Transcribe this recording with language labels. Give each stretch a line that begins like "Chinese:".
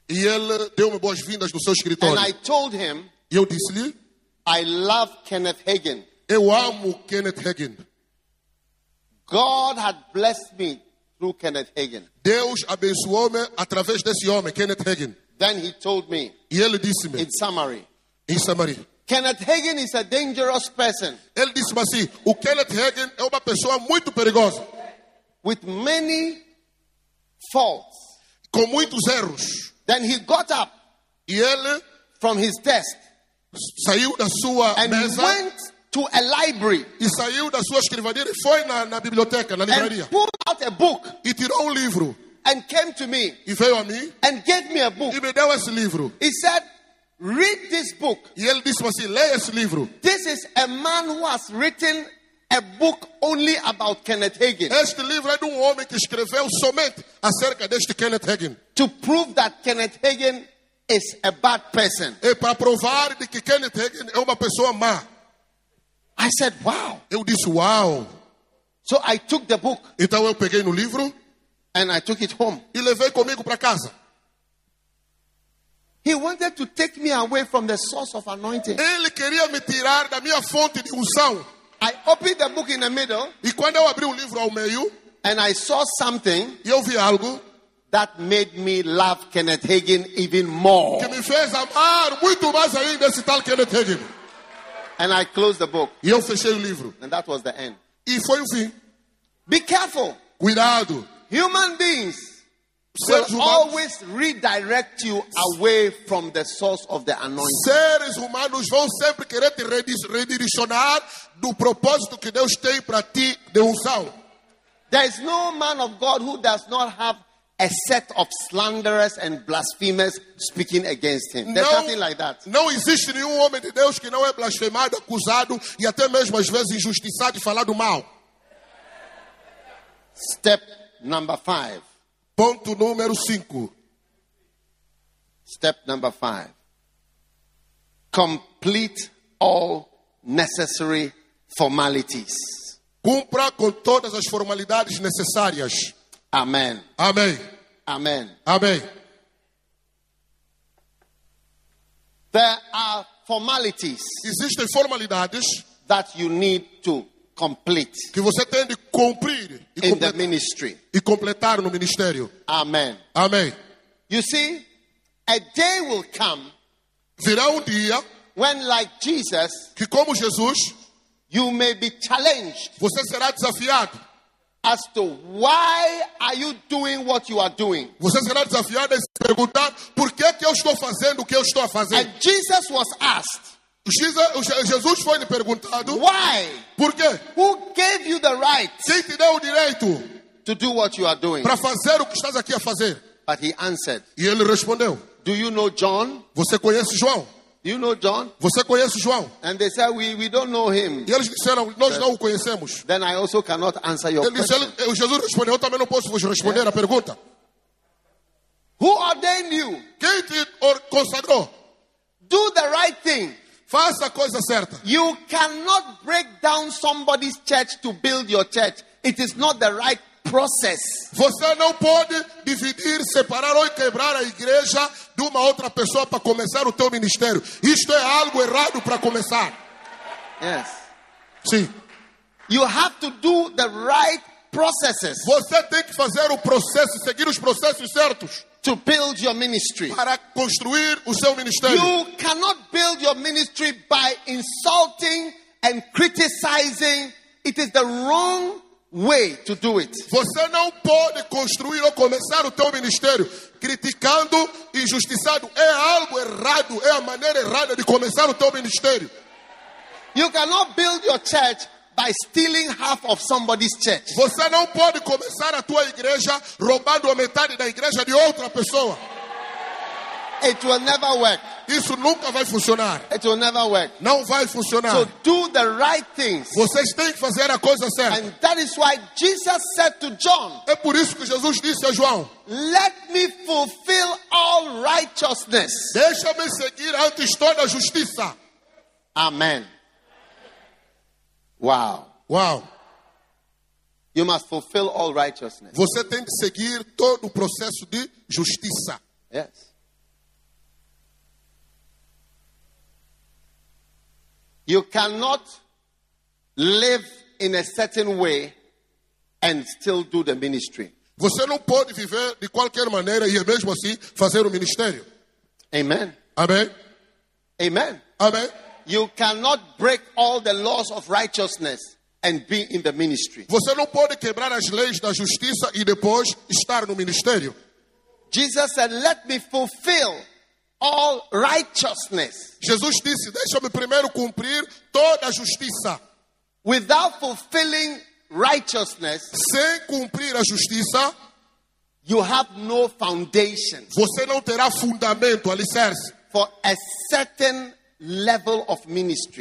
Portuguese: E ele deu-me boas-vindas no seu escritório.
English: And I told him,
Portuguese: eu disse-lhe,
English: I love Kenneth Hagin.
Portuguese: Eu amo Kenneth Hagin.
English: God had blessed me through Kenneth Hagin.
Portuguese: Deus abençoou-me através desse homem, Kenneth Hagin.
English: Then he told me,
Portuguese: e ele disse-me,
English: in summary,
Portuguese: em summary,
English: Kenneth Hagin is a dangerous person.
Portuguese: Ele disse-me assim, o Kenneth Hagin é uma pessoa muito perigosa.
English: With many faults.
Portuguese: Com muitos erros.
English: Then he got up,
Portuguese: e ele,
English: from his desk,
Portuguese: saiu da sua
English: and
Portuguese: mesa,
English: and went to a library,
Portuguese: e saiu da sua escrivaneira e foi na biblioteca, na livraria,
English: and pulled out a book,
Portuguese: e tirou livro,
English: and came to me,
Portuguese: e veio a mim,
English: and gave me a book,
Portuguese: e me deu esse livro.
English: He said, "Read this book."
Portuguese: E ele disse assim, leia esse livro.
English: This is a man who has written a book only about Kenneth Hagin.
Portuguese: Este livro é de homem que escreveu somente acerca deste Kenneth Hagin.
English: To prove that Kenneth Hagin is a bad person.
Portuguese: E para provar de que Kenneth Hagin é uma pessoa má.
English: I said, "Wow."
Portuguese: Eu disse, "Wow."
English: So I took the book.
Portuguese: Então eu peguei no livro.
English: And I took it home.
Portuguese: E levei comigo para casa.
English: He wanted to take me away from the source of anointing.
Portuguese: Ele queria me tirar da minha fonte de unção.
English: I opened the book in the middle.
Portuguese: E quando eu abri o livro ao meio,
English: and I saw something.
Portuguese: E eu vi algo
English: that made me love Kenneth Hagin even more.
Portuguese: Que me fez amar muito mais ainda esse tal Kenneth Hagin.
English: And I closed the book.
Portuguese: E eu fechei o livro.
English: And that was the end.
Portuguese: E foi o fim.
English: Be careful.
Portuguese: Cuidado.
English: Human beings will always redirect you away from the source of the anointing.
Portuguese: Seres humanos vão sempre querer te redirecionar do propósito que Deus tem para ti de unção.
English: There is no man of God who does not have a set of slanderers and blasphemers speaking against him. There's nothing like that.
Portuguese: Não existe nenhum homem de Deus que não é blasfemado, acusado e até mesmo às vezes injustiçado e falado mal.
English: Step number 5.
Portuguese: Ponto número 5.
English: Step number 5. Complete all necessary formalities.
Portuguese: Cumpra com todas as formalidades necessárias.
English: Amen.
Portuguese: Amém.
English: Amen.
Portuguese: Amém.
English: There are formalities.
Portuguese: Existem formalidades
English: that you need to complete.
Portuguese: Que você tem de cumprir
English: in the ministry.
Portuguese: E completar no ministério.
English: Amen.
Portuguese: Amém.
English: You see, a day will come.
Portuguese: Virá dia
English: when like Jesus,
Portuguese: que como Jesus,
English: you may be challenged.
Portuguese: Você será desafiado.
English: As to why are you doing what you are doing?
Portuguese: Você será desafiado a se perguntar por que é que eu estou fazendo o que eu estou a fazer.
English: And Jesus was asked.
Portuguese: Jesus foi lhe perguntado.
English: Why?
Portuguese: Por quê?
English: Who gave you the right?
Portuguese: Quem te deu o direito?
English: to do what you are doing.
Portuguese: Para fazer o que estás aqui a fazer.
English: But he answered.
Portuguese: E ele respondeu.
English: Do you know John?
Portuguese: Você conhece João?
English: Do you know John?
Portuguese: Você conhece João?
English: And they said we don't know him.
Portuguese: E eles disseram, nós não o conhecemos.
English: Then I also cannot answer your question.
Portuguese: Ele disse, Jesus respondeu, eu também não posso vos responder a pergunta.
English: Who ordained you?
Portuguese: Quem te consagrou?
English: Do the right thing.
Portuguese: Faça a coisa certa.
English: You cannot break down somebody's church to build your church. It is not the right process.
Portuguese: Você não pode dividir, separar ou quebrar a igreja de uma outra pessoa para começar o teu ministério. Isto é algo errado para começar.
English: Yes.
Portuguese: Sim.
English: You have to do the right processes.
Portuguese: Você tem que fazer o processo, seguir os processos certos.
English: To build your ministry.
Portuguese: Para construir o seu ministério.
English: You cannot build your ministry by insulting and criticizing. It is the wrong way to do it.
Portuguese: Você não pode construir ou começar o teu ministério criticando e injustiçado. É algo errado, é a maneira errada de começar o teu ministério.
English: You cannot build your church by stealing half of somebody's church.
Portuguese: Você não pode começar a tua igreja roubando a metade da igreja de outra pessoa.
English: It will never work.
Portuguese: Isso nunca vai funcionar.
English: It will never work.
Portuguese: Não vai funcionar.
English: So do the right things.
Portuguese: Vocês têm que fazer a coisa certa.
English: And that is why Jesus said to John.
Portuguese: É por isso que Jesus disse a João.
English: Let me fulfill all righteousness.
Portuguese: Deixa-me seguir antes toda a justiça.
English: Amen. Wow. Wow. You must fulfill all righteousness.
Portuguese: Você tem que seguir todo o processo de justiça.
English: Yes. You cannot live in a certain way and still do the ministry.
Portuguese: Você não pode viver de qualquer maneira e mesmo assim fazer o ministério.
English: Amen.
Portuguese: Amém.
English: Amen.
Portuguese: Amém.
English: You cannot break all the laws of righteousness and be in the ministry.
Portuguese: Você não pode quebrar as leis da justiça e depois estar no ministério.
English: Jesus said, "Let me fulfill all righteousness."
Portuguese: Jesus disse, deixa-me primeiro cumprir toda a justiça.
English: Without fulfilling righteousness,
Portuguese: sem cumprir a justiça,
English: you have no foundation.
Portuguese: Você não terá fundamento, alicerce.
English: For a certain level of ministry.